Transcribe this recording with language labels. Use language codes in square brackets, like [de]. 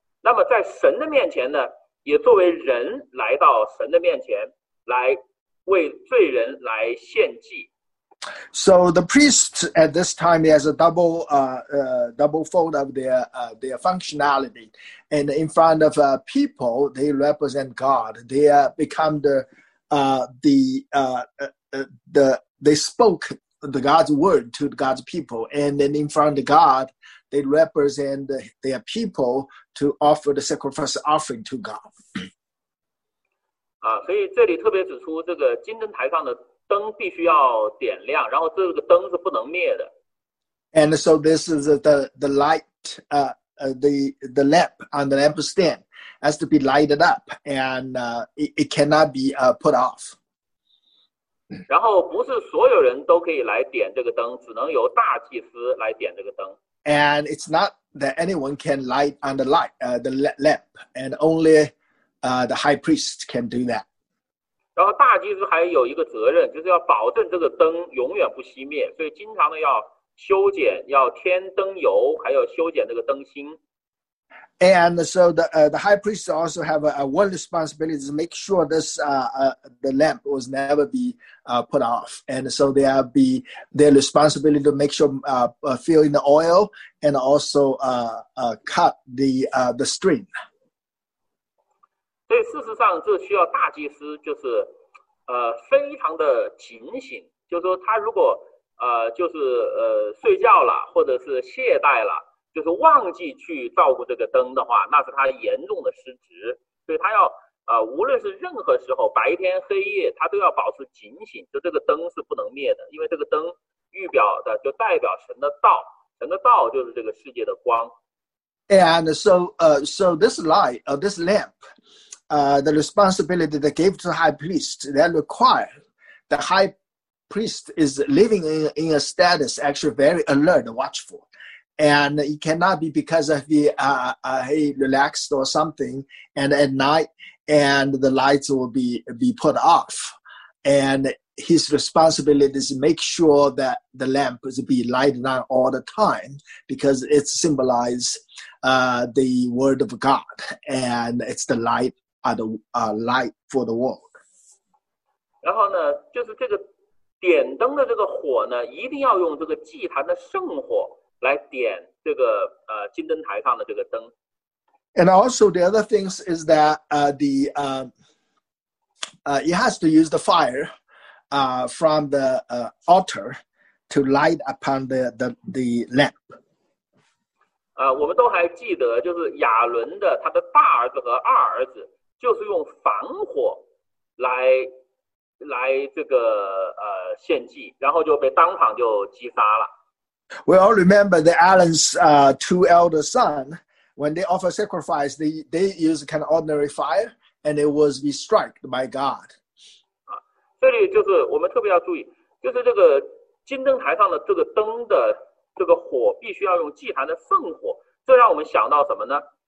[zh] 那么在神的面前呢，也作为人来到神的面前，来为罪人来献祭。 [en] So the priests at this time has a double fold of their functionality, and in front of people they represent God. They become they spoke. The God's word to God's people, and then in front of God, they represent their people to offer the sacrifice offering to God. [zh] 啊，所以这里特别指出，这个金灯台上的灯必须要点亮，然后这个灯是不能灭的。 [en] And so this is the light, the lamp on the lampstand has to be lighted up, and it cannot be put off. [zh] 然后不是所有人都可以来点这个灯，只能由大祭司来点这个灯。 [en] And it's not that anyone can light on the light, the lamp, and only, the high priest can do that. [zh] 然后大祭司还有一个责任，就是要保证这个灯永远不熄灭，所以经常的要修剪，要添灯油，还要修剪这个灯芯。 [en] And so the high priest also have one responsibility to make sure this the lamp was never be put off. And so there be their responsibility to make sure fill in the oil and also cut the string. [zh] 所以事实上这需要大祭司就是非常的警醒，就是说他如果就是睡觉了或者是懈怠了，就是忘记去照顾这个灯的话，那是他严重的失职。所以他要无论是任何时候白天黑夜他都要保持警醒，就这个灯是不能灭的，因为这个灯预表的就代表神的道，神的道就是这个世界的光。 [en] And so, so this light, this lamp, the responsibility they gave to the high priest, that require the high priest is living in a status actually very alert, watchful. And it cannot be because of he relaxed or something, and at night, and the lights will be put off. And his responsibility is to make sure that the lamp is be lighted on all the time, because it symbolizes the word of God, and it's the light, light for the world. [zh] 然后呢，就是这个点灯的这个火呢，一定要用这个祭坛的圣火来点这个金灯台上的这个灯。 [en] And also the other things is that it has to use the fire from the altar to light upon the lamp. [zh] 我们都还记得，就是亚伦的他的大儿子和二儿子，就是用燔火来这个献祭，然后就被当场就击杀了。 [en] We all remember the Aaron's two elder son when they offer sacrifice, they use kind of ordinary fire, and it was be struck by God. [zh] 这里就是我们特别要注意，就是这个金灯台上的这个灯的这个火必须要用祭坛的圣火，这让我们想到什么呢？